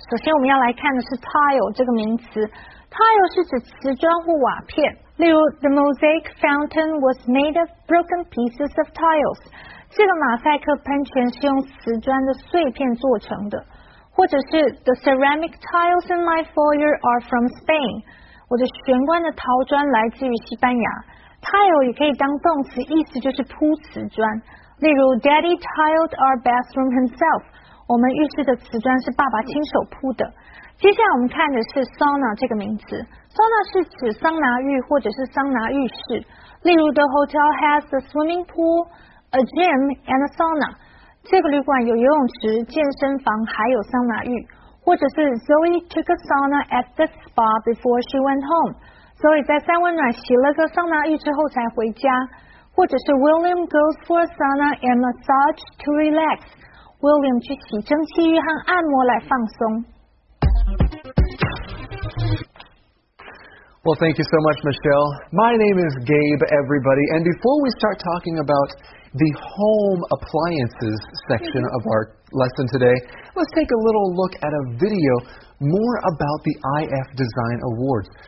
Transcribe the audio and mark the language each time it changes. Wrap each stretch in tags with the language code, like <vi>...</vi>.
<zh>首先我们要来看的是 tile 这个名词。</zh> <en>Tile</en> <zh>是指瓷砖或瓦片，例如</zh> <en>The mosaic fountain was made of broken pieces of tiles.</en> <zh>这个马赛克喷泉是用瓷砖的碎片做成的，或者是</zh> <en>The ceramic tiles in my foyer are from Spain.</en> <zh>我的玄关的陶砖来自于西班牙。Tile 也可以当动词，意思就是铺瓷砖。例如</zh> <en>Daddy tiled our bathroom himself.</en> <zh>我们浴室的瓷砖是爸爸亲手铺的。接下来我们看的是 sauna 这个名词。 sauna 是指桑拿浴或者是桑拿浴室。例如</zh> <en>,the hotel has a swimming pool, a gym, and a sauna.</en> <zh>这个旅馆有游泳池、健身房还有桑拿浴。或者是</zh> <en>Zoe took a sauna at the spa before she went home.</en> <zh>Zoe 在三温暖洗了个桑拿浴之后才回家。或者是</zh> <en>William goes for a sauna and massage to relax.</en> <zh>William 去洗蒸汽浴和按摩来放松。</zh> <en>Well, thank you so much, Michelle. My name is Gabe, everybody. And before we start talking about the home appliances section of our lesson today, let's take a little look at a video more about the IF Design Awards.</en>